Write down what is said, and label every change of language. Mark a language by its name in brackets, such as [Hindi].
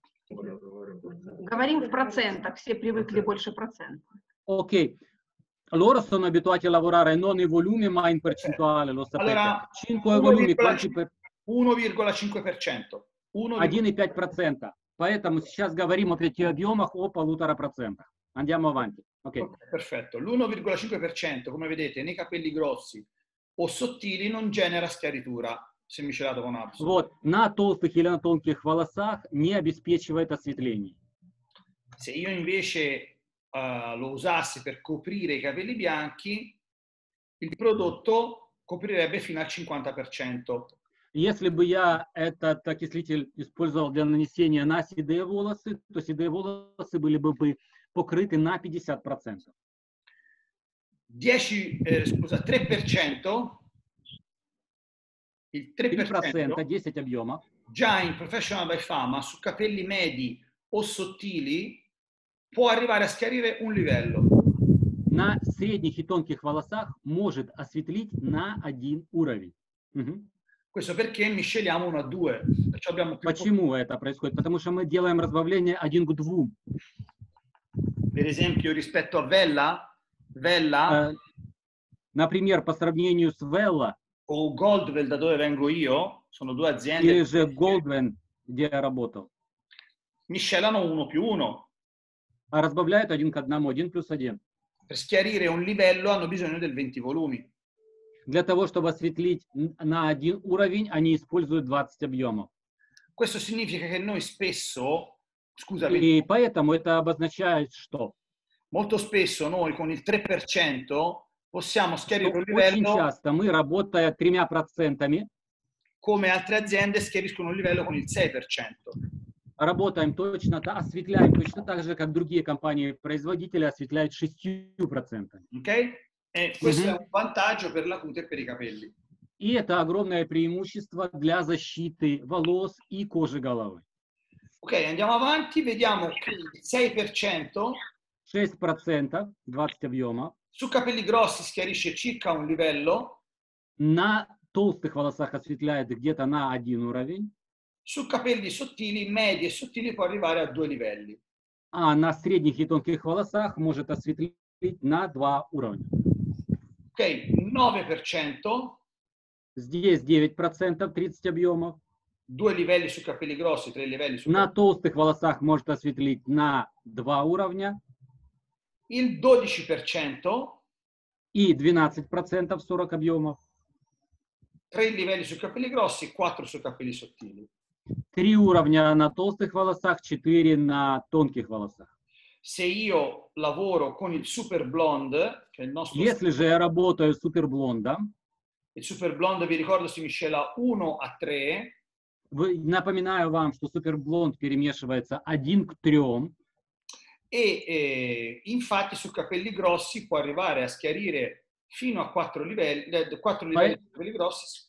[Russian] Говорим в процентах, все привыкли больше процентов. Окей. [Italian] Loro sono abituati a lavorare non in volumi, ma in percentuale, lo sapete. Allora, 5 volumi, 1,5%. 1,5%. [Russian] Поэтому сейчас говорим о 5 объемах, о 1,5%. [Italian] Andiamo avanti. Okay. Okay, perfetto. L'1,5%, come vedete, nei capelli grossi o sottili non genera schiaritura. Se miscelato con Absolute. [Russian] Вот, на толстых или на тонких волосах не обеспечивает осветление. [Italian] Se io invece lo usassi per coprire i capelli bianchi, il prodotto coprirebbe fino al 50%. [Russian] Если бы я этот окислитель использовал для нанесения на седые волосы, то седые волосы были бы покрыты на 50%. [Italian] 3%. Il 3%, [Russian] 10 объема. [Italian] Già in Professional by Fama, su capelli medi o sottili, può arrivare a schiarire un livello. [Russian] На средних и тонких волосах может осветлить на один уровень. [Italian] Questo perché misceliamo 1:2. Perciò abbiamo più. [Russian] Почему это происходит? Потому что мы делаем разбавление 1:2. [Italian] Per esempio, rispetto a Vella. [Russian] Например, по сравнению с Vella. [Italian] O Goldwell, da dove vengo io, sono due aziende. [Russian] Или же Goldwell, где я работал. [Italian] Miscelano 1:1. [Russian] А разбавляют 1:1, 1:1. [Italian] Per schiarire un livello hanno bisogno del 20 volumi. [Russian] Для того, чтобы осветлить на один уровень, они используют 20 объемов. [Italian] Questo significa che noi spesso, [Russian] И поэтому это обозначает что? [Italian] Molto spesso noi con il 3% possiamo schiarire un livello. [Russian] Очень часто мы работая 3%. [Italian] Come altre aziende schiariscono un livello con il 6%. [Russian] Работаем точно так, осветляем точно так же, как другие компании-производители осветляют 6%. Okay? [Italian] E questo è un vantaggio per la cute e per i capelli. [Russian] И это огромное преимущество для защиты волос и кожи головы. [Italian] Ok, andiamo avanti, vediamo qui 6%. [Russian] 6%, 20 объема. [Italian] Su capelli grossi schiarisce circa un livello. [Russian] На толстых волосах осветляет где-то на один уровень. [Italian] Su capelli sottili, medi e sottili, può arrivare a due livelli. [Russian] А на средних и тонких волосах может осветлить на два уровня. [Italian] Ok, 9%. [Russian] Здесь 9%, 30 объемов. [Italian] Due livelli su capelli grossi, tre livelli su. [Russian] На толстых волосах может осветлить на два уровня. [Italian] Il 12%. [Russian] И 12%, 40 объемов. [Italian] Tre livelli su capelli grossi, 4 su capelli sottili. [Russian] Три уровня на толстых волосах, 4 на тонких волосах. [Italian] Se io lavoro con il super blonde, che è il nostro. [Russian] Если же я работаю super blonde. [Italian] Il super blonde, vi ricordo, si miscela 1:3. [Russian] Напоминаю вам, что суперблонд перемешивается 1:3. [Italian] E infatti su capelli grossi può arrivare a schiarire fino a 4 livelli, 4 livelli di capelli grossi.